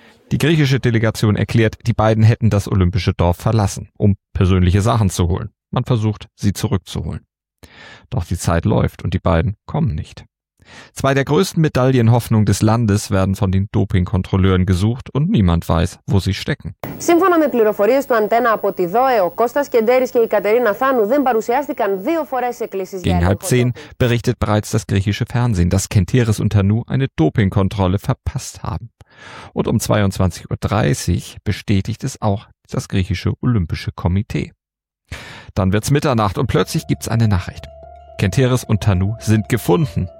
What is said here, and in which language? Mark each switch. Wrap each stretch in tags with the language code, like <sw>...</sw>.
<de>Die griechische Delegation erklärt, die beiden hätten das olympische Dorf verlassen, um persönliche Sachen zu holen. Man versucht, sie zurückzuholen. Doch die Zeit läuft und die beiden kommen nicht. Zwei der größten Medaillenhoffnungen des Landes werden von den Dopingkontrolleuren gesucht und niemand weiß, wo sie stecken.</de> <el>Σύμφωνα με πληροφορίες του Αντένα από τη ΔΟΕ, ο Κώστας Κεντέρης και η Κατερίνα Θάνου δεν παρουσιάστηκαν δύο φορές σε κλήσεις.</el> <de>Gegen 9:30 berichtet bereits das griechische Fernsehen, dass Kenteris und Tanou eine Dopingkontrolle verpasst haben. Und um 22:30 Uhr bestätigt es auch das griechische Olympische Komitee. Dann wird's Mitternacht und plötzlich gibt's eine Nachricht. Kenteris und Tanou sind gefunden.</de>